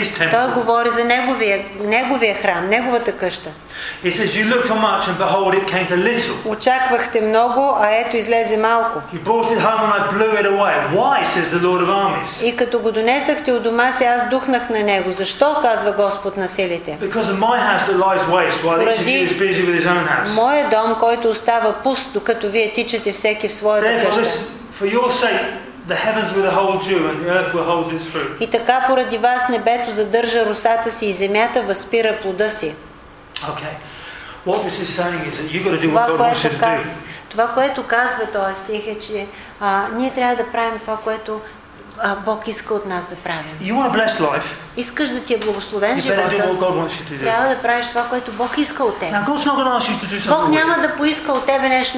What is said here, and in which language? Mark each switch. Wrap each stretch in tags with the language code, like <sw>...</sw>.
<bg>Той говори за неговия храм, неговата къща.</bg> <en>He says, you look for much and behold it came to little.</en> <bg>Очаквахте много, а ето излезе малко.</bg> <en>He brought it home and I blew it away. Why, says the Lord of armies?</en> <bg>И като го донесахте от дома си, аз духнах на него. Защо, казва Господ на силите?</bg> <en>Because of my house that lies waste while each of you is busy with his own house.</en> <bg>Моя дом, който остава пуст, докато вие тичате всеки в своята къща.</bg> <en>For your sake, the heavens will hold dew and the earth will hold its fruit.</en> <bg>И така поради вас небето задържа росата си и земята възпира плода си.</bg> <en>Okay. What this is saying is that you've got to do what God wants you to do.</en> <bg>Това, което казва този стих е, че ние трябва да правим това, което Бог иска от нас да правим.</bg> <en>You want a blessed life.</en> <bg>Искаш да ти е благословен живота. Трябва да правиш това, което Бог иска от теб. Бог няма да поиска от тебе нещо</bg>